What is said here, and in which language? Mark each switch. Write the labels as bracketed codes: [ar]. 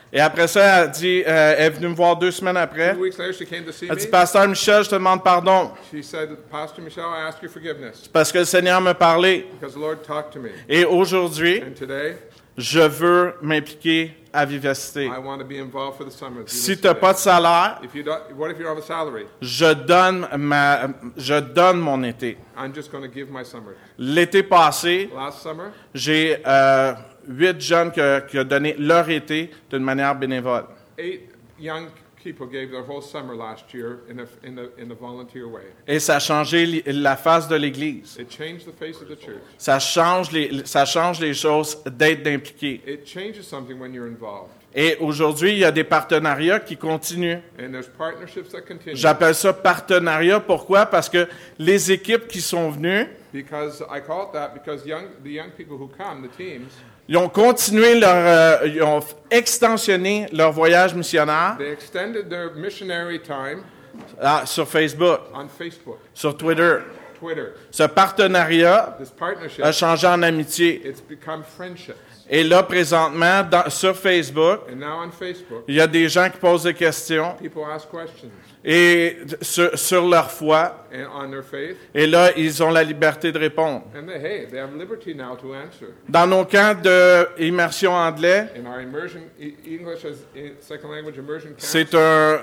[fr] Et après ça, elle dit, elle est venue me voir deux semaines après. [en] Two weeks later, she came to see me. [fr] Elle dit, Pasteur Michel, je te demande pardon. [en] She said, Pastor Michel, I ask your forgiveness. [fr] C'est parce que le Seigneur m'a parlé. [en] Because the Lord talked to me. [fr] Et aujourd'hui, [en] and today, [fr] je veux m'impliquer à Vivacité. [en] I want to be involved for the summer. [fr] Si tu n'as pas de salaire, [en] if you don't, what if you don't have a salary? [fr] Je donne mon été. [en] I'm just going to give my summer. [fr] L'été passé, [en] last summer, [fr] j'ai 8 jeunes qui ont donné leur été d'une manière bénévole. [en] 8 young people gave their whole summer last year in a volunteer way. [fr] Et ça a changé la face de l'église. [en] It changed the face of the church. [fr] Ça change les choses d'être impliqué. [en] It changes something when you're involved. [fr] Et aujourd'hui, il y a des partenariats qui continuent. [en] And there's partnerships that continue. [fr] J'appelle ça partenariat. Pourquoi? Parce que les équipes qui sont venues, [en] because I call it that because the young people who come, the teams, [fr] ils ont continué leur, ils ont extensionné leur voyage missionnaire. [en] They extended their missionary time [fr] sur Facebook, [en] on Facebook, [fr] sur Twitter. [en] Twitter. [fr] Ce partenariat, [en] this partnership, [fr] a changé en amitié. [en] It's become friendships. [fr] Et là, présentement, sur Facebook, [en] and now on Facebook, [fr] il y a des gens qui posent des questions. [en] People ask questions. [fr] Et sur leur foi. [en] And on their faith. [fr] Et là, ils ont la liberté de répondre. [en] And they have liberty now to answer. [fr] Dans nos camps d'immersion anglais, [en] in our immersion, English as second language immersion camps,